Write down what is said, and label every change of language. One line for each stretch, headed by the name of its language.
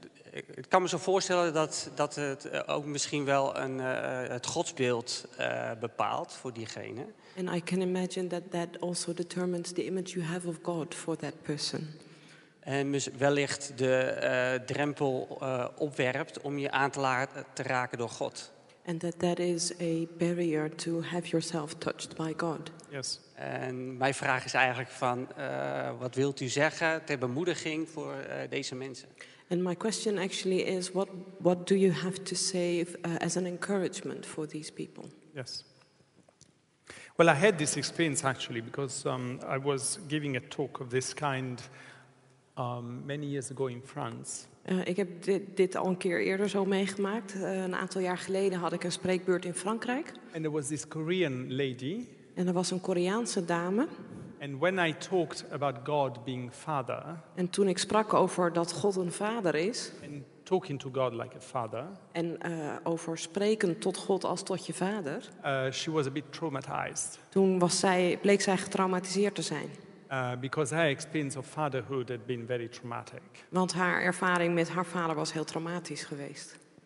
Dutch: Ik kan me zo voorstellen dat het ook misschien wel het godsbeeld bepaalt voor diegene.
English: And I can imagine that also determines the image you have of God for that person.
Dutch: En wellicht de drempel opwerpt om je aan te raken door God.
English: And that is a barrier to have yourself touched by God. Yes.
Dutch: En mijn vraag is eigenlijk van wat wilt u zeggen ter bemoediging voor deze mensen?
English: And my question actually is, what do you have to say as an encouragement for these people? Yes. Well, I had this experience actually because I was giving a talk of this kind many years ago in France.
Dutch: Ik heb dit al een keer eerder zo meegemaakt. Een aantal jaar geleden had ik een spreekbeurt in Frankrijk.
English: And there was this Korean lady.
Dutch: En er was een Koreaanse dame.
English: And when I talked about God being father,
Dutch: en toen ik sprak over dat God een vader is,
English: and talking to God like a father,
Dutch: en over spreken tot God als tot je vader,
English: she was a bit traumatized.
Dutch: Toen bleek zij getraumatiseerd te zijn.
English: Because her experience of fatherhood had been very traumatic.
Dutch: Want haar ervaring met haar vader was heel traumatisch geweest.